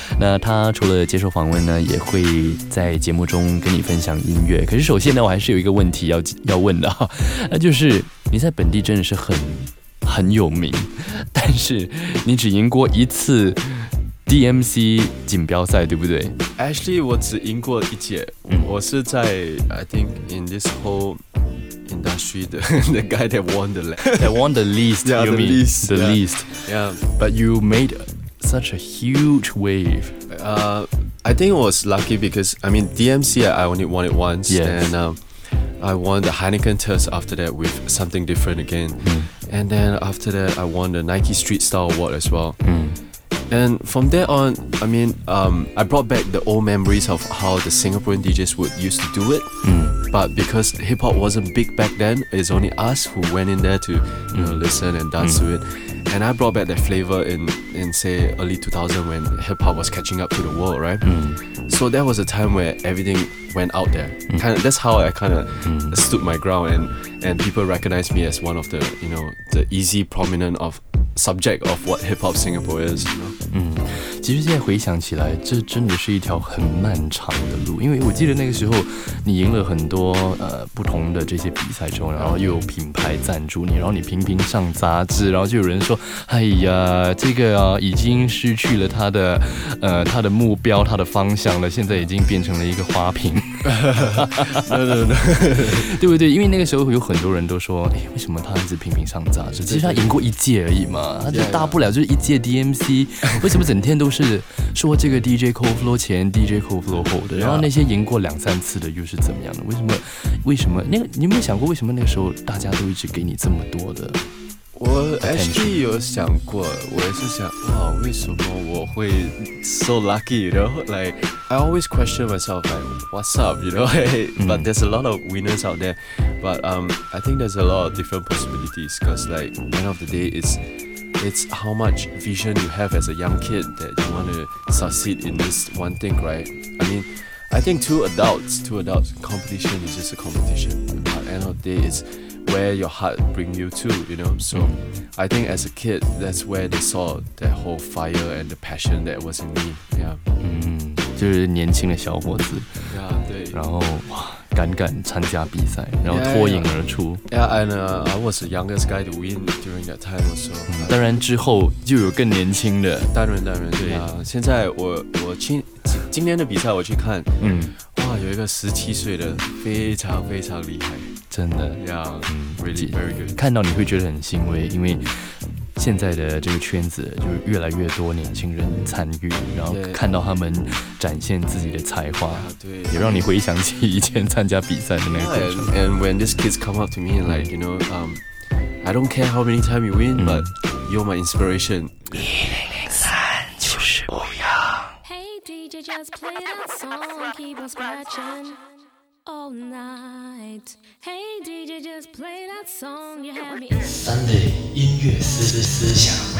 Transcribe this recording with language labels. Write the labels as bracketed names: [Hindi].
[Chinese] 那他除了接受访问呢，也会在节目中跟你分享音乐。可是首先呢，我还是有一个问题 要问的，那就是你在本地真的是很有名，但是你只赢过一次DMC 锦标赛，对不对？ [English] Actually [Chinese] 我只赢过一届，我是在 [English] I think in this whole industry the guy that won the least. Yeah, you mean the least. Yeah, but you made such a huge wave. I think I was lucky because I mean DMC I only won it once. Yes. And I won the Heineken test after that with something different again. And then after that I won the Nike Street Style Award as well. And from there on, I mean, I brought back the old memories of how the Singaporean DJs would used to do it. But because hip-hop wasn't big back then, it's only us who went in there to, you know, listen and dance to it. And I brought back that flavor in say, early 2000 when hip-hop was catching up to the world, right? So that was a time where everything went out there. That's how I kind of stood my ground, and people recognized me as one of the, you know, the easy prominent ofSubject of what hip-hop Singapore is, you know? [Chinese] 其实现在回想起来，这真的是一条很漫长的路，因为我记得那个时候你赢了很多不同的这些比赛中，然后又有品牌赞助你，然后你频频上杂志，然后就有人说，哎呀，这个啊已经失去了他的目标，他的方向了，现在已经变成了一个花瓶。对不对？因为那个时候有很多人都说，哎，为什么他一直频频上杂志？其实他赢过一届而已嘛，他就大不了就是一届 DMC， 为什么整天都是说这个 DJ Coldflow 前 DJ Coldflow 后的，然后那些赢过两三次的又是怎么样的？为什么那个，你有没有想过为什么那个时候大家都一直给你这么多的？我 [English] actually [Chinese] 有想过，我也是想，哇，为什么我会 [English] so lucky， you know， like I always question myself like what's up， you know， but there's a lot of winners out there， but I think there's a lot of different possibilities， cause like end of the day it's how much vision you have as a young kid that you want to succeed in this one thing, right? I mean, I think two adults, competition is just a competition. But end of the day, it's where your heart bring you to, you know? So I think as a kid, that's where they saw that whole fire and the passion that was in me. Yeah. [Chinese] 就是年轻的小伙子。 Yeah, 对。然后敢参加比赛，然后脱颖而出。 [English] Yeah, and I was the youngest guy to win during that time. So, [Chinese] 当然之后就有更年轻的。当然，对啊。现在我今天的比赛我去看，哇，有一个17岁的，非常非常厉害，真的。 [English] Yeah, really very good. [Chinese] 看到你会觉得很欣慰，因为现在的这个圈子就越来越多年轻人参与，然后看到他们展现自己的才华，对，也让你回想起以前参加比赛的那个过程。 [English] And when these kids come up to me, like, you know, I don't care how many times you win, but you're my inspiration. [Chinese] 1003就是不一样。 [English] Hey DJ, just play that song, keep on scratching. All night. Hey DJ, just play that song. You have me. [Chinese] Sunday 音乐思想。